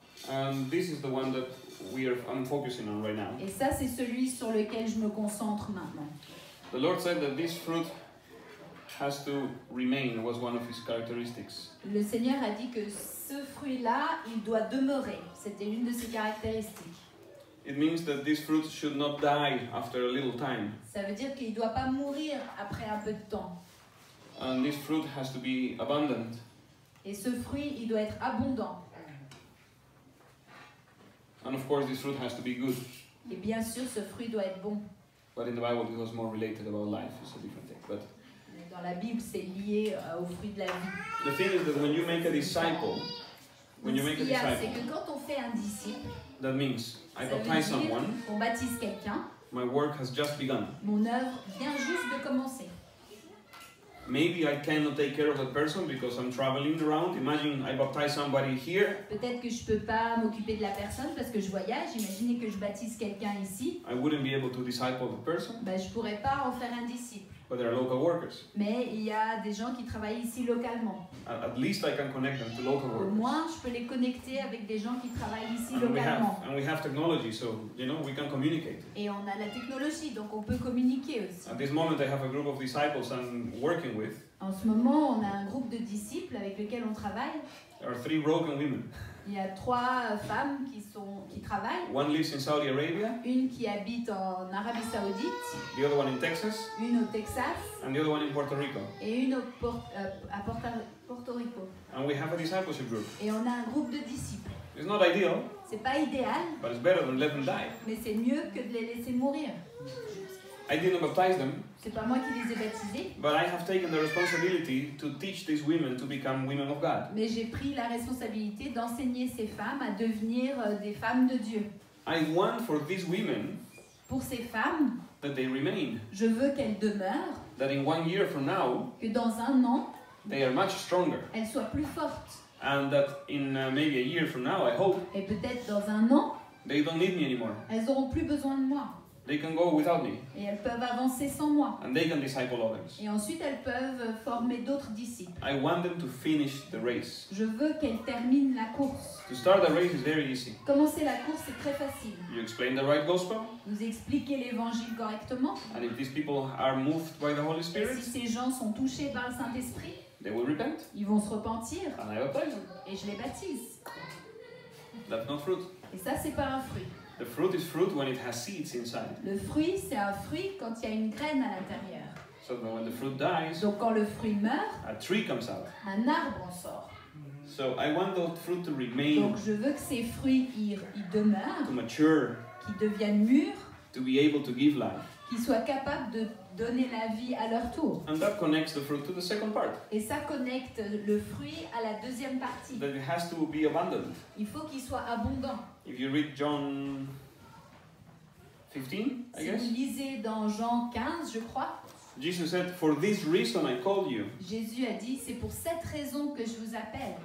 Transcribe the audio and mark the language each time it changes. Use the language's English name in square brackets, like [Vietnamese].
[English] And this is the one that we are focusing on right now. [French] Et ça, c'est celui sur lequel je me concentre maintenant. [English] The Lord said that this fruit has to remain, was one of his characteristics. [French] Le Seigneur a dit que ce fruit-là, il doit demeurer. C'était l'une de ses caractéristiques. [English] It means that this fruit should not die after a little time. [French] Ça veut dire qu'il doit pas mourir après un peu de temps. [English] And this fruit has to be abundant. [French] Et ce fruit, il doit être abondant. [English] And of course, this fruit has to be good. [French] Et bien sûr, ce fruit doit être bon. [English] But in the Bible, it was more related about life. It's a different thing. But [French] dans la Bible, c'est lié au fruit de la vie. [English] The thing is that when you make a disciple, when you make a disciple, [French] c'est que quand on fait un disciple, [English] that means I baptize someone. [French] On baptise quelqu'un. [English] My work has just begun. [French] Mon œuvre vient juste de commencer. [English] Maybe I cannot take care of that person because I'm traveling around. Imagine I baptize somebody here. [French] Peut-être que je peux pas m'occuper de la personne parce que je voyage. Imaginez que je baptise quelqu'un ici. [English] I wouldn't be able to disciple the person. [French] Ben, je pourrais pas en faire un disciple. [English] But there are local workers. [French] Mais il y a des gens qui travaillent ici localement. [English] At least I can connect them to local workers. [French] Au moins, je peux les connecter avec des gens qui travaillent ici localement. [English] And we have technology, so you know we can communicate. [French] Et on a la technologie, donc on peut communiquer aussi. [English] At this moment, I have a group of disciples I'm working with. [French] En ce moment, on a un groupe de disciples avec lesquels on travaille. [English] There are three broken women. [French] Il y a trois femmes qui travaillent. [English] One lives in Saudi Arabia. [French] Une qui habite en Arabie Saoudite. [English] The other one in Texas. [French] Une au Texas. [English] And the other one in Puerto Rico. [French] Et une à Puerto Rico. [English] And we have a discipleship group. [French] Et on a un groupe de disciples. [English] It's not ideal. [French] C'est pas idéal. [English] But it's better than let them die. [French] Mais c'est mieux que de les laisser mourir. [English] I didn't baptize them. [French] C'est pas moi qui les ai baptisés. [English] But I have taken the responsibility to teach these women to become women of God. [French] Mais j'ai pris la responsabilité d'enseigner ces femmes à devenir des femmes de Dieu. [English] I want for these women. [French] Pour ces femmes. [English] That they remain. [French] Je veux qu'elles demeurent. [English] That in 1 year from now. [French] Que dans un an. [English] They are much stronger. [French] Elles soient plus fortes. [English] And that in maybe a year from now, I hope. [French] Et peut-être dans un an. [English] They don't need me anymore. [French] Elles auront plus besoin de moi. [English] They can go without me. [French] Et elles peuvent avancer sans moi. [English] And they can disciple others. [French] Et ensuite elles peuvent former d'autres disciples. [English] I want them to finish the race. [French] Je veux qu'elles terminent la course. [English] To start the race is very easy. [French] Commencer la course est très facile. [English] You explain the right gospel. [French] Vous expliquez l'évangile correctement. [English] And if these people are moved by the Holy Spirit. [French] Et si ces gens sont touchés par le Saint-Esprit. [English] They will repent. [French] Ils vont se repentir. [English] And I baptize. [French] Et je les baptise. [English] That's not fruit. [French] Et ça c'est pas un fruit. [English] The fruit is fruit when it has seeds inside. [French] Le fruit, c'est un fruit quand il y a une graine à l'intérieur. [English] So when the fruit dies, [French] donc quand le fruit meurt, [English] a tree comes out. [French] Un arbre en sort. [English] So I want those fruit to remain. [French] Donc je veux que ces fruits y demeurent. [English] To mature. [French] Qu'ils deviennent mûrs. [English] To be able to give life. [French] Qu'ils soient capables de donner la vie à leur tour. [English] And that connects the fruit to the second part. [French] Et ça connecte le fruit à la deuxième partie. [English] That it has to be abundant. [French] Il faut qu'il soit abondant. [English] If you read John 15, [French] si [English] I guess. [French] Si vous lisez dans Jean 15, je crois. [English] Jesus said, "For this reason I called you." [French] Jésus a dit, c'est pour cette raison que je vous appelle.